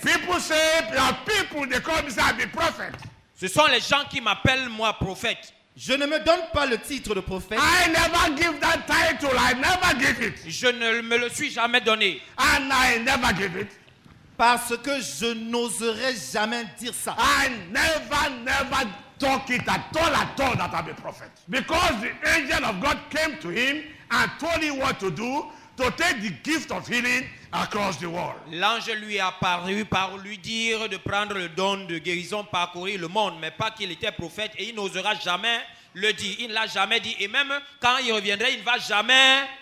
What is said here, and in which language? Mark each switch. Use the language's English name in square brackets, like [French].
[English] People say, people, they call me say, I'm a prophet. [French] Ce sont les gens qui m'appellent moi prophète. Je ne me donne pas le titre de prophète. [English] I never give that title. I never give it. [French] Je ne me le suis jamais donné. [English] And I never give it. [French] Parce que je n'oserais jamais dire ça. [English] I never talk it at all that I'm a prophet. Because the angel of God came to him and told him what to do to take the gift of healing across the world. [French] L'ange lui a paru pour lui dire de prendre le don de guérison parcourir le monde, mais pas qu'il était prophète et il n'osera jamais le dire. Il ne l'a jamais dit et même quand il reviendrait, il ne va jamais